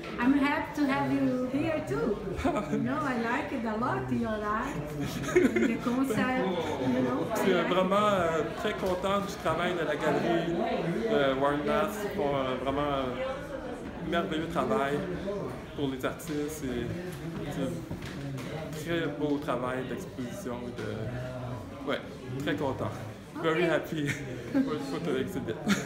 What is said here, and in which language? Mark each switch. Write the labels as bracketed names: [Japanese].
[English] I'm happy to have you here too. You know, I like it a lot, your art, and the concept, you know. [French] Je suis vraiment très content du travail de la galerie de Warren Bass pour vraiment merveilleux travail pour les artistes et c'est un très beau travail d'exposition. Ouais, très content. [English] Okay. Very happy for the exhibit.